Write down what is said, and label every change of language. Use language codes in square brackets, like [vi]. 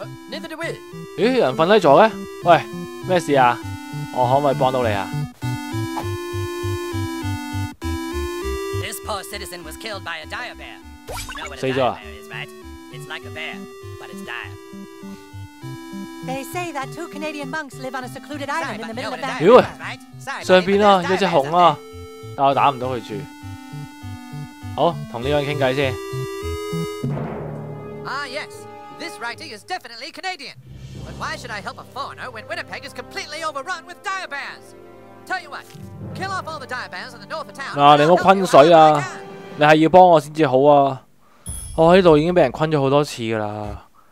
[en] Neither do we. [yue] 咦，人瞓低咗嘅？喂，咩事啊？我可唔可以帮到你啊 [en] ？This poor citizen was killed by a dire bear. You know what a dire bear is, right? It's like a bear, but it's dire. They say that two Canadian monks live on a secluded island Sorry, in the middle of that. [yue] 妖啊！上边啊，一只熊啊，但我打唔到佢住。好，同呢个人倾偈先。 [en] Ah yes, this writing is definitely Canadian. But why should I help a foreigner when Winnipeg is completely overrun with dire bears? Tell you what, kill off all the dire bears in the north of town. [yue] 嗱、啊，你唔好困水啊！你系要帮我先至好啊！我喺度已经俾人困咗好多次噶啦。